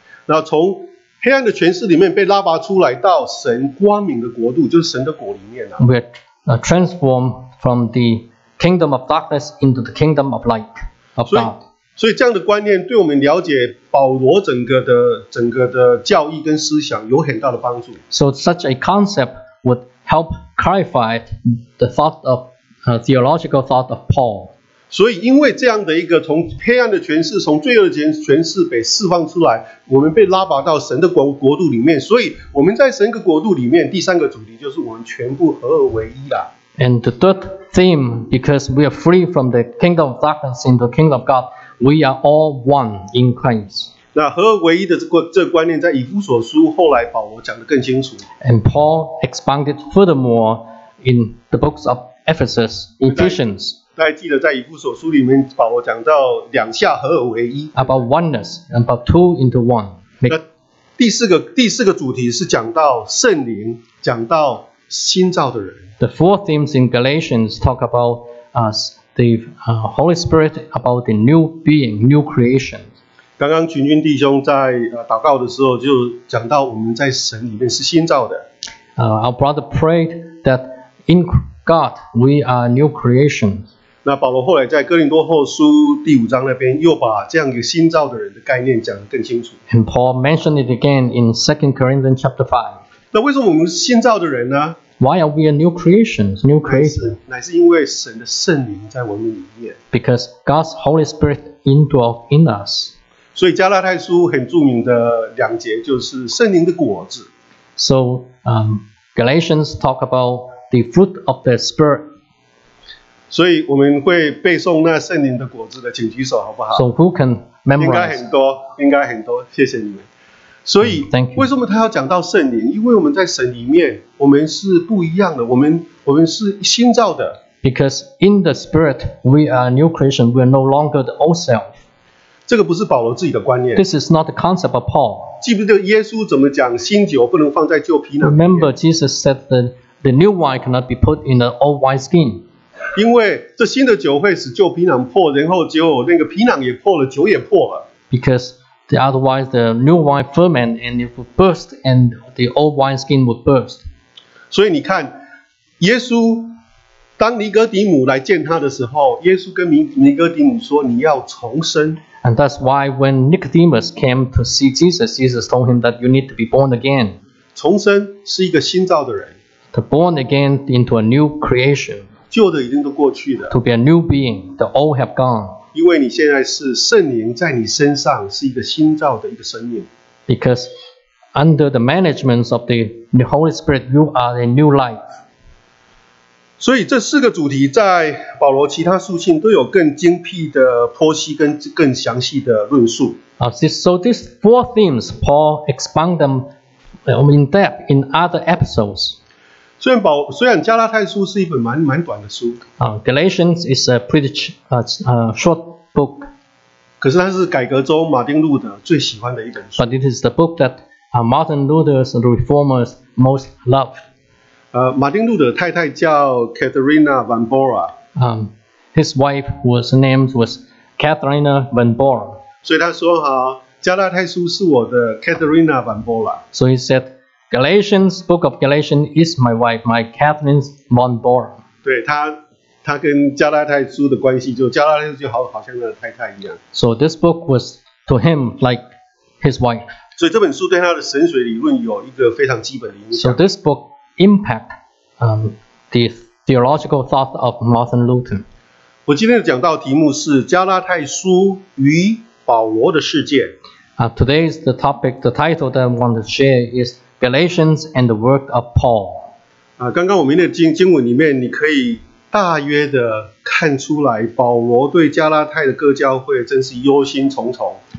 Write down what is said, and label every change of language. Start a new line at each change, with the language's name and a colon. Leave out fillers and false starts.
Chinese: 那从黑暗的权势里面被拉拔出来到神光明的国度，就是神的国里面啊。
English: We are transformed from the kingdom of darkness into the kingdom of light of God.
Chinese: 所以这样的观念对我们了解保罗整个的教义跟思想有很大的帮助。
English: So such a concept would help clarify the thought of theological thought of Paul.
Chinese: 所以因为这样的一个从黑暗的权势从罪恶的权势被释放出来我们被拉拔到神的国度里面所以我们在神的国度里面第三个主题就是我们全部合而为一啦。
English: And the third theme, because we are free from the kingdom of darkness into the kingdom of God, we are all one in Christ.
Chinese: 那合而为一的这个观念在以弗所书后来保罗讲得更清楚。
English: And Paul expanded furthermore in the books of Ephesus, Ephesians.
Chinese: 大家记得在以弗所书里面保罗讲到两下合而为一。
English: About oneness, about two into one.
Chinese: 第四个主题是讲到圣灵，讲到新造的人。
English: The four themes in Galatians talk about Holy Spirit, about the new being, new creation.
Chinese: 刚刚群君弟兄在祷告的时候就讲到我们在神里面是新造的。
English: Our brother prayed that in God we are new creations.
Chinese: 那保罗后来在哥林多后书第五章那边又把这样一个新造的人的概念讲得更清楚。
English: And Paul mentioned it again in 2 Corinthians chapter 5.
Chinese: 那为什么我们是新造的人呢？
English: Why are we a new creation? New creation.
Chinese: 乃是因为神的圣灵在我们里面。
English: Because God's Holy Spirit indwells in us.
Chinese: 所以加拉太书很著名的两节就是圣灵的果子。
English: So, Galatians talk about the fruit of the Spirit.
Chinese: 所以我们会背诵那圣灵的果子的，请举手好不好
English: ？So who can memorize?
Chinese: 应该很多，谢谢你们。所以
English: Thank you.
Chinese: 为什么他要讲到圣灵？因为我们在神里面，我们是不一样的，我们是新造的。
English: Because in the Spirit we are a new creation, we are no longer the old self.
Chinese: 这个不是保罗自己的观念。
English: This is not the concept of Paul.
Chinese: 记不记得耶稣怎么讲新酒不能放在旧皮囊里面
English: ？Remember Jesus said that the new wine cannot be put in the old wine skin.
Chinese: 因为这新的酒会使旧皮囊破，然后酒那个皮囊也破了，酒也破了。
English: Because otherwise, the new wine ferment and it would burst, and the old wine skin would burst.
Chinese: 所以你看，耶稣当尼哥底母来见他的时候，耶稣跟尼哥底母说：“你要重生。”
English: And that's why when Nicodemus came to see Jesus, Jesus told him that you need to be born again.
Chinese: 重生是一个新造的人。
English: To born again into a new creation.
Chinese: 旧的已经都过去了。
English: To be a new being, the old have gone.
Chinese: 因为你现在是圣灵在你身上是一个新造的一个生命。
English: Because under the management of the Holy Spirit, you are a new life.
Chinese: 所以这四个主题在保罗其他书信都有更精辟的剖析跟更详细的论述。
English: So these four themes, Paul expound them in depth in other episodes.
Chinese: 虽然加拉太书是一本蛮短的书。
English: Galatians is a pretty short book.
Chinese: 可是它是改革中马丁路德最喜欢的一本书。
English: But it is the book that Martin Luther's reformers most loved.
Chinese: 马丁路德太太叫 Katharina van Bora.
English: His wife was named was Katharina van Bora.
Chinese: 所以他说哈，加拉太书是我的 Katharina van Bora.
English: So he said,Galatians, Book of Galatians is my wife, my Catherine von Bora.
Chinese: 对他跟加拉太书的关系就加拉太书就好像他的太太一样。
English: So this book was to him like his wife.
Chinese: 所以这本书对他的神学理论有一个非常基本的影响。
English: So this book impact the theological thought of Martin Luther.
Chinese: 我今天讲到题目是加拉太书与保罗的世界。
English: Today's the title that I want to share is Galatians and the work of Paul.
Chinese: 刚刚我们的经文里面，你可以大约的看出来，保罗对加拉太的各教会真是忧心忡忡。